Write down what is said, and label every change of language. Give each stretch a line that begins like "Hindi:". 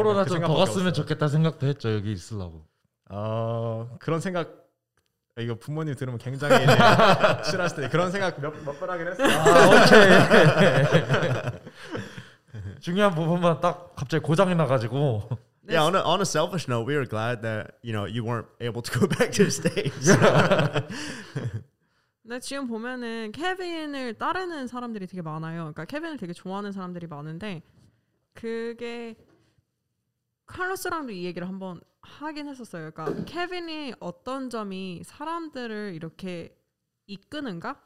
Korean: 코로나 좀 더 갔으면 좋겠다 생각도 했죠 여기 있으려고 그런 생각 이거 부모님 들으면 굉장히 싫어하실 텐데 그런 생각 몇 번 하긴 했어요 아, 오케이 중요한 부분만 딱 갑자기 고장이 나가지고
English: Yeah, on a selfish note, we are glad that you know you weren't able to go back to the States.
Korean: 나 지금 보면은 케빈을 따르는 사람들이 되게 많아요. 그러니까 케빈을 되게 좋아하는 사람들이 많은데 그게 칼로스랑도 이 얘기를 한번 하긴 했었어요. 그러니까 케빈이 어떤 점이 사람들을 이렇게 이끄는가?